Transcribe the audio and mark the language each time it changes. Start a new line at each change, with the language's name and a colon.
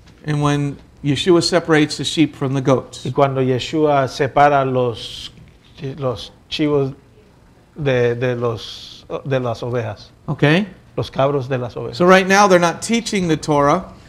English: And when Yeshua separates the sheep from the goats.
Spanish: Y cuando Yeshua separa los chivos de las ovejas.
English: Okay.
Spanish: Los cabros de las ovejas.
English: So right now they're not teaching the Torah.